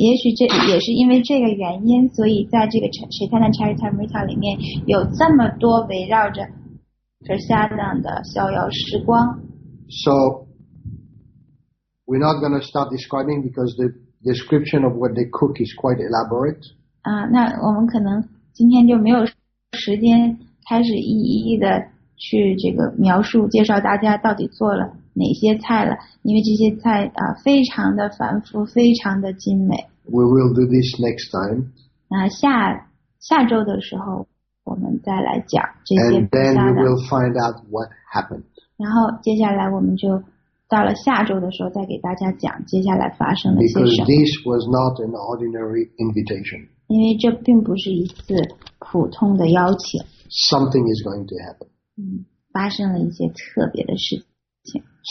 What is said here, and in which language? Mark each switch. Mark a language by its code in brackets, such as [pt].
[zh] 也许这也是因为这个原因，所以在这个 Chaitanya Charitamrita 里面有这么多围绕着 prasadam 的逍遥时光。 [en] So we're not going to stop describing because the description of what they cook is quite elaborate. [zh] 那我们可能今天就没有时间开始一一的去这个描述介绍大家到底做了哪些菜了，因为这些菜非常的繁复，非常的精美。 [en] We will do this next time. [zh] 下周的时候我们再来讲这些。 [en] And then we will find out what happened. [zh] 然后接下来我们就到了下周的时候再给大家讲接下来发生了些什么。 [en] Because this was not an ordinary invitation. [zh] 因为这并不是一次普通的邀请。 [en] Something is going to happen. [zh] 发生了一些特别的事情。